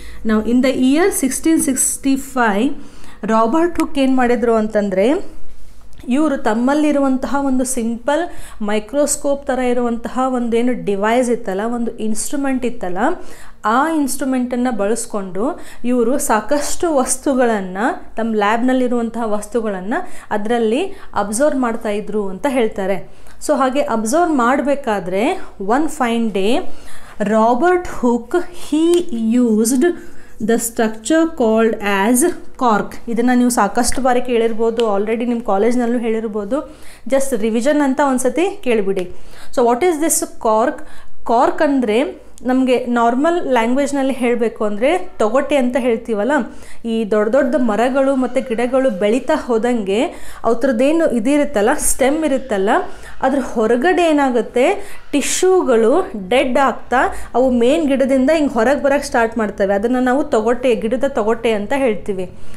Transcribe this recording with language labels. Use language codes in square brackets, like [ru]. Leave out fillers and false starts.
[kn] ನಾವು [en] in the year [kn] 1665 Robert Hooke ಏನು ಮಾಡಿದರು ಅಂತಂದರೆ, ಇವರು ತಮ್ಮಲ್ಲಿರುವಂತಹ ಒಂದು ಸಿಂಪಲ್ ಮೈಕ್ರೋಸ್ಕೋಪ್ ಥರ ಇರುವಂತಹ ಒಂದೇನು ಡಿವೈಸ್ ಇತ್ತಲ್ಲ, ಒಂದು ಇನ್ಸ್ಟ್ರೂಮೆಂಟ್ ಇತ್ತಲ್ಲ, ಆ ಇನ್ಸ್ಟ್ರೂಮೆಂಟನ್ನು ಬಳಸ್ಕೊಂಡು ಇವರು ಸಾಕಷ್ಟು ವಸ್ತುಗಳನ್ನು ತಮ್ಮ ಲ್ಯಾಬ್ನಲ್ಲಿರುವಂತಹ ವಸ್ತುಗಳನ್ನು ಅದರಲ್ಲಿ ಅಬ್ಸರ್ವ್ ಮಾಡ್ತಾ ಇದ್ರು ಅಂತ ಹೇಳ್ತಾರೆ. ಸೊ ಹಾಗೆ ಅಬ್ಸರ್ವ್ ಮಾಡಬೇಕಾದ್ರೆ [en] One fine day Robert Hooke, he used the structure called as cork. [kn] ಇದನ್ನು ನೀವು ಸಾಕಷ್ಟು ಬಾರಿ ಕೇಳಿರ್ಬೋದು, ಆಲ್ರೆಡಿ ನಿಮ್ಮ ಕಾಲೇಜ್ನಲ್ಲೂ ಹೇಳಿರ್ಬೋದು, ಜಸ್ಟ್ ರಿವಿಷನ್ ಅಂತ ಒಂದ್ಸತಿ ಕೇಳಿಬಿಡಿ. [en] So what is this cork? [kn] Cork ಅಂದರೆ ನಮಗೆ ನಾರ್ಮಲ್ ಲ್ಯಾಂಗ್ವೇಜ್ನಲ್ಲಿ ಹೇಳಬೇಕು ಅಂದರೆ ತೊಗಟೆ ಅಂತ ಹೇಳ್ತೀವಲ್ಲ, ಈ ದೊಡ್ಡ ದೊಡ್ಡ ಮರಗಳು ಮತ್ತು ಗಿಡಗಳು ಬೆಳೀತಾ ಹೋದಂಗೆ ಅವ್ರದ್ದೇನು ಇದಿರುತ್ತಲ್ಲ, ಸ್ಟೆಮ್ ಇರುತ್ತಲ್ಲ, ಅದ್ರ ಹೊರಗಡೆ ಏನಾಗುತ್ತೆ, ಟಿಶ್ಯೂಗಳು ಡೆಡ್ ಆಗ್ತಾ ಅವು ಮೇನ್ ಗಿಡದಿಂದ ಹಿಂಗೆ ಹೊರಗೆ ಬರೋಕ್ಕೆ ಸ್ಟಾರ್ಟ್ ಮಾಡ್ತವೆ, ಅದನ್ನು ನಾವು ತೊಗಟೆ, ಗಿಡದ ತೊಗಟೆ ಅಂತ ಹೇಳ್ತೀವಿ.